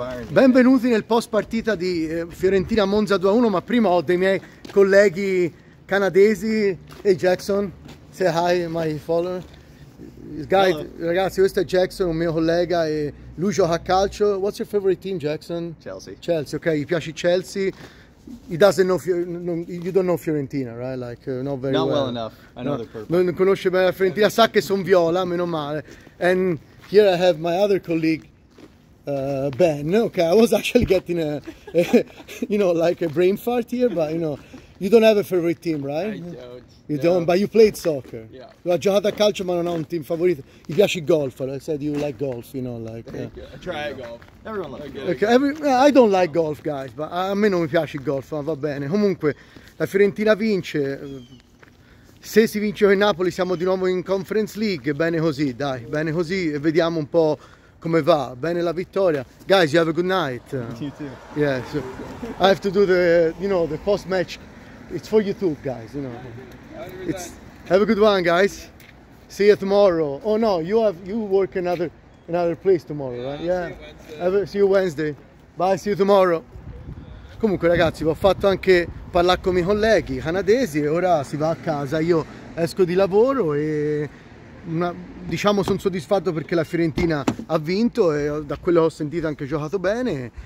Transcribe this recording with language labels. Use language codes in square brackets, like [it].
[it] Benvenuti nel post partita di Fiorentina Monza 2-1, ma prima ho dei miei colleghi canadesi. [en] Hey Jackson, say hi my follower. Guy, [it] ragazzi, questo è Jackson, un mio collega, e lui gioca a calcio. [en] What's your favorite team, Jackson? Chelsea, [it] ok, gli piace Chelsea. [en] He doesn't know you don't know Fiorentina, right? Like not very not well enough. I know the purple. [it] Non conosce bene la Fiorentina, sa che son viola, meno male. [en] And here I have my other colleague Ben. Okay, I was actually getting a brain fart here, but you know, you don't have a favorite team, right? I don't. You don't, but you played soccer. Yeah. [it] Ha giocato a calcio, ma non ha un team favorito. Gli piace il golf. [en] I said you like golf, you know, like. Try golf. Everyone likes golf. I don't like golf, guys, but [it] a me non mi piace il golf, ma va bene. Comunque, la Fiorentina vince. Se si vince con Napoli, siamo di nuovo in Conference League. Bene così, dai. Bene così, vediamo un po' come va. Bene la vittoria. [en] Guys, you have a good night. You too. Yeah, so I have to do the, you know, the post match. It's for you too, guys, you know. It's, have a good one, guys. See you tomorrow. Oh no, you work another place tomorrow, right? Yeah. See you Wednesday. Bye, see you tomorrow. [it] Comunque, ragazzi, ho fatto anche parlare con i miei colleghi canadesi e ora si va a casa. Io esco di lavoro e diciamo sono soddisfatto perché la Fiorentina ha vinto e da quello che ho sentito anche giocato bene.